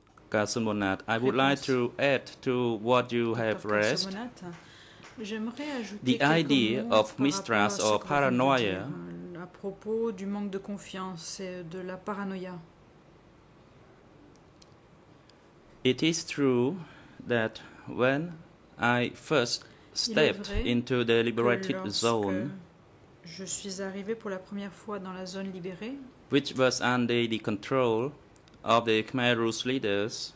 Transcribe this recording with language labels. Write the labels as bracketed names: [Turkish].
[English] Kasumonat, I would like to add to what you have raised. The idea of mistrust or paranoia. [French] À propos du manque de confiance et de la paranoïa. [English] It is true that when I first stepped into the liberated zone, [French] je suis arrivé pour la première fois dans la zone libérée, [English] which was under the control of the Khmer Rouge leaders,